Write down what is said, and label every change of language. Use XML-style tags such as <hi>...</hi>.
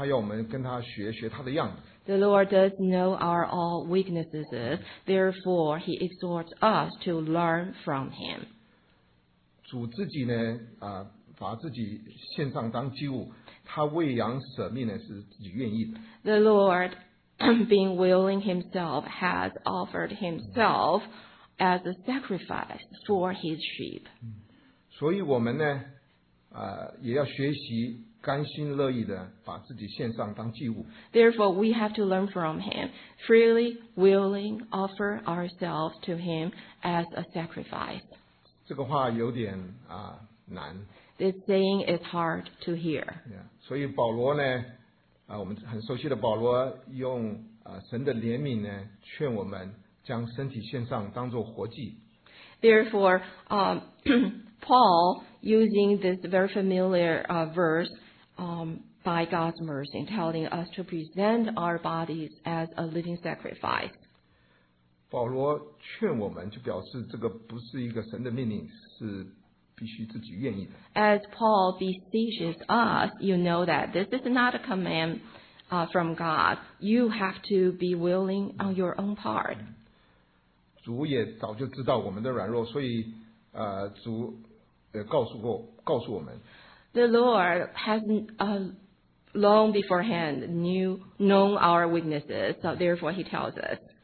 <zh>主也知道我们的软弱，所以他要我们跟他学，学他的样子。</zh> <en>The Lord does know our all weaknesses, therefore He exhorts us to learn from Him.</en> <zh>主自己呢，把自己献上当祭物，他为羊舍命呢，是自己愿意的。</zh> <en>The Lord, being willing Himself, has offered Himself as a sacrifice for His sheep.</en> <zh>所以我们呢，也要学习甘心乐意的把自己献上当祭物。</zh> <en>Therefore, we have to learn from Him, freely, willing, offer ourselves to Him as a sacrifice.</en> <zh>这个话有点难。</zh> <en>This saying is hard to hear. Yeah.</en> <zh>所以保罗呢，我们很熟悉的保罗用神的怜悯呢，劝我们将身体献上当做活祭。</zh> <en>Therefore, Paul, using this very familiar verse, by God's mercy, telling us to present our bodies as a living sacrifice.</en> <zh>保罗劝我们, 就表示这个不是一个神的命令, 是必须自己愿意的。</zh> <en>As Paul beseeches us, you know that this is not a command from God. You have to be willing on your own part.</en> <zh>主也早就知道我们的软弱, 所以, 主告诉我们。</zh> <en>The Lord has long beforehand known our weaknesses, so therefore he tells us.</en>